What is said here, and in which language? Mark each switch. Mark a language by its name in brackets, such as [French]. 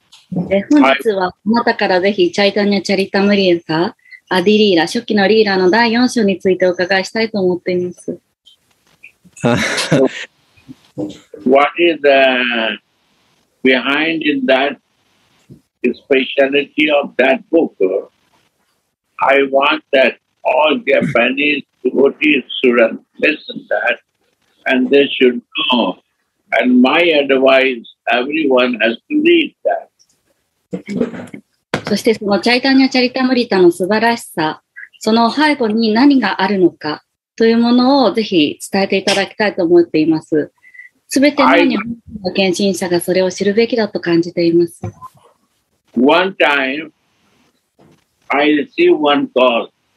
[Japanese] で本日はあなたからぜひチャイタニャチャリタムリエサアディリーラ初期のリーラの第4章についてお伺いしたいと思っています。 [English] What is the behind in that speciality of that book? I want that all Japanese devotees should listen that and they should know, and my advice everyone has to read that. [Japanese] そしてそのチャイタニャチャリタムリタの素晴らしさ、その背後に何があるのかというものをぜひ伝えていただきたいと思っています。すべての日本の献身者がそれを知るべきだと感じています。 [English] One time I see one call.